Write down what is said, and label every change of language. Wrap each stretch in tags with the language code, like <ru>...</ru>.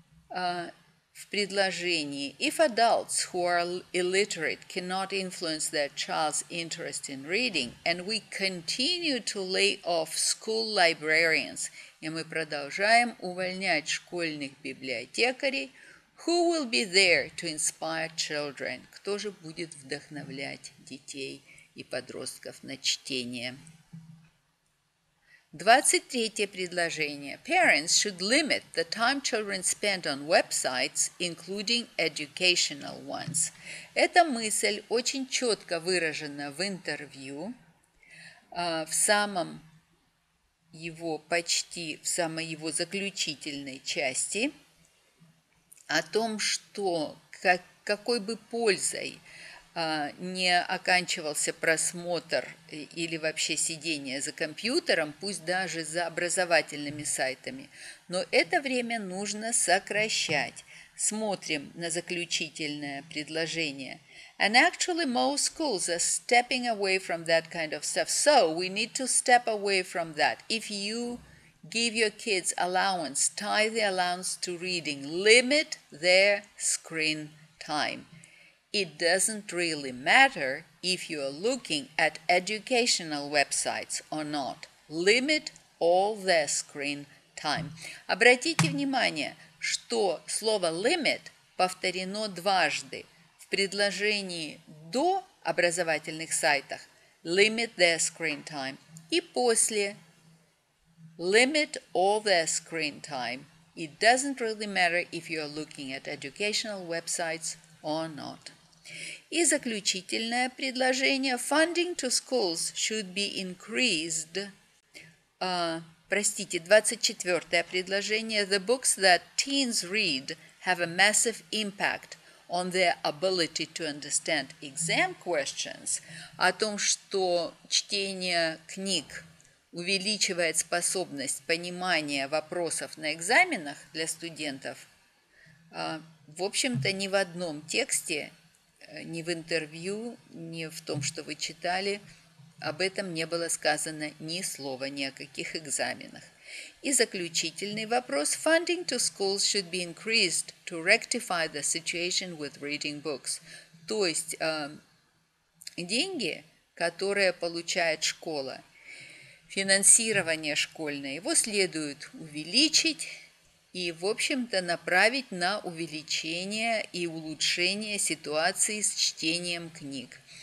<ru>В предложении</ru> <en>«If adults who are illiterate cannot influence their child's interest in reading, and we continue to lay off school librarians»,</en> <ru>и мы продолжаем увольнять школьных библиотекарей,</ru> <en>«who will be there to inspire children?»</en> <ru>Кто же будет вдохновлять детей и подростков на чтение? 23-е предложение.</ru> <en>Parents should limit the time children spend on websites, including educational ones.</en> <ru>Эта мысль очень четко выражена в интервью, в самом его, почти в самой его заключительной части, о том, что какой бы пользой не оканчивался просмотр или вообще сидение за компьютером, пусть даже за образовательными сайтами. Но это время нужно сокращать. Смотрим на заключительное предложение.</ru> <en>And actually most schools are stepping away from that kind of stuff. So we need to step away from that. If you give your kids allowance, tie the allowance to reading, limit their screen time. It doesn't really matter if you are looking at educational websites or not. Limit all their screen time.</en> <ru>Обратите внимание, что слово limit повторено дважды. В предложении до образовательных сайтов</ru> <en>limit their screen time.</en> <ru>И после</ru> <en>limit all their screen time. It doesn't really matter if you are looking at educational websites or not.</en> <ru>И заключительное предложение.</ru> <en>Funding to schools should be increased.</en> <ru>24-е предложение.</ru> <en>The books that teens read have a massive impact on their ability to understand exam questions.</en> <ru>О том, что чтение книг увеличивает способность понимания вопросов на экзаменах для студентов. В общем-то, ни в одном тексте, ни в интервью, ни в том, что вы читали, об этом не было сказано ни слова, ни о каких экзаменах. И заключительный вопрос.</ru> <en>Funding to schools should be increased to rectify the situation with reading books.</en> <ru>То есть деньги, которые получает школа, финансирование школьное, его следует увеличить, и, в общем-то, направить на увеличение и улучшение ситуации с чтением книг.</ru>